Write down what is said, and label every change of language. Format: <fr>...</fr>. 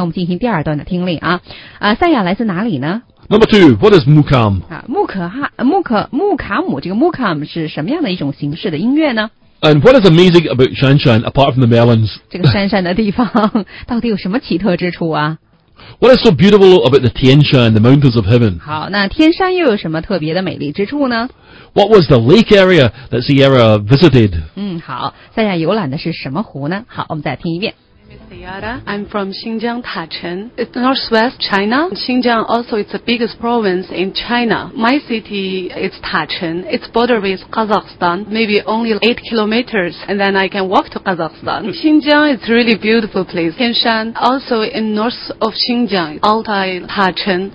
<zh>第一段呢，我们就听到这儿，来给大家几个问题，马上我们进行第二段的听力啊。赛亚 来自哪里呢？</zh> <en>Number two, what is Mukam?</en> <zh>穆卡姆这个穆卡姆是什么样的一种形式的音乐呢？</zh> <en>And what is amazing about Shanshan, apart from the melons?</en> <zh>这个珊珊的地方到底有什么奇特之处啊？</zh> <en>What is so beautiful about the Tianshan, the mountains of heaven?</en> <zh>好，那天山又有什么特别的美丽之处呢？</zh> <en>What was the lake area that Sierra visited?</en> <zh>好，塞亚游览的是什么湖呢？好，我们再听一遍。</zh> <en>I'm from Xinjiang, Tacheng. It's northwest China. Xinjiang also is the biggest province in China. My city is Tacheng. It's border with Kazakhstan, maybe only 8 kilometers, and then I can walk to Kazakhstan. Xinjiang is a really beautiful place. Tianshan, also in north of Xinjiang, Altai, Tacheng.</en>